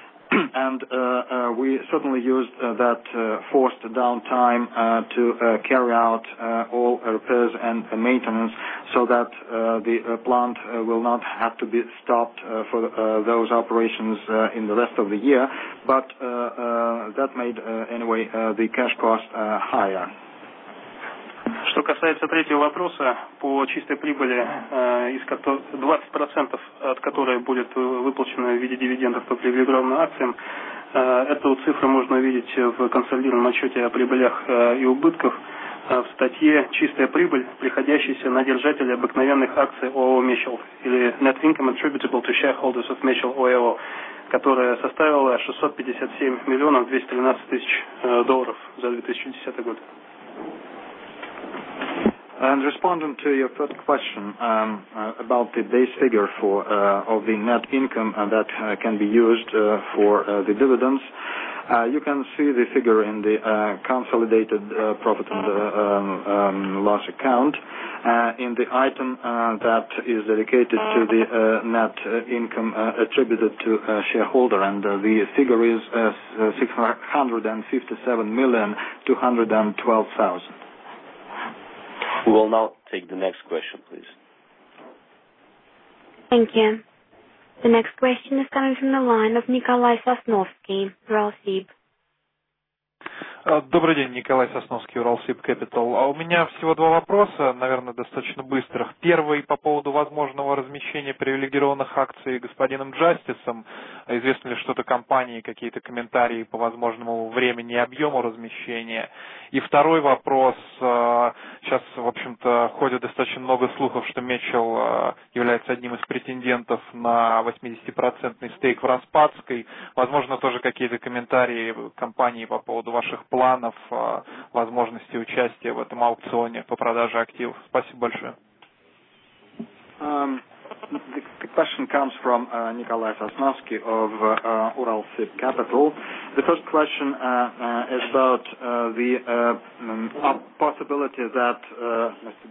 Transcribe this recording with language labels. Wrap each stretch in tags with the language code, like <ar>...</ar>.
<en>And we certainly used that forced downtime to carry out all repairs and maintenance so that the plant will not have to be stopped for those operations in the rest of the year. But that made, anyway, the cash cost higher.</en> <ru>Что касается третьего вопроса по чистой прибыли, из 20% от которой будет выплачено в виде дивидендов по привилегированным акциям, эту цифру можно увидеть в консолидированном отчете о прибылях и убытках в статье «Чистая прибыль, приходящаяся на держателя обыкновенных акций ООО «Мичел» или</ru> <en>«Net Income Attributable to Shareholders of Mitchell OAO»,</en> <ru>которая составила 657 миллионов 213 тысяч долларов за 2010 год.</ru> <en>And responding to your first question about the base figure for of the net income that can be used for the dividends, you can see the figure in the consolidated profit and loss account in the item that is dedicated to the net income attributed to a shareholder. And the figure is 657,212,000. We will now take the next question, please. Thank you. The next question is coming from the line of Nikolai Sosnovsky, Uralsib.</en> <ru>Добрый день, Николай Сосновский, Уралсиб Капитал. У меня всего два вопроса, наверное, достаточно быстрых. Первый по поводу возможного размещения привилегированных акций господином Джастисом. Известно ли что-то компании, какие-то комментарии по возможному времени и объему размещения? И второй вопрос. Сейчас, в общем-то, ходит достаточно много слухов, что Мечел является одним из претендентов на 80% стейк в Распадской. Возможно, тоже какие-то комментарии компании по поводу ваших планов, возможности участия в этом аукционе по продаже активов. Спасибо большое.</ru> <en>The question comes from Nikolai Sosnovsky of Uralsib Capital. The first question is about the possibility that Mr.</en>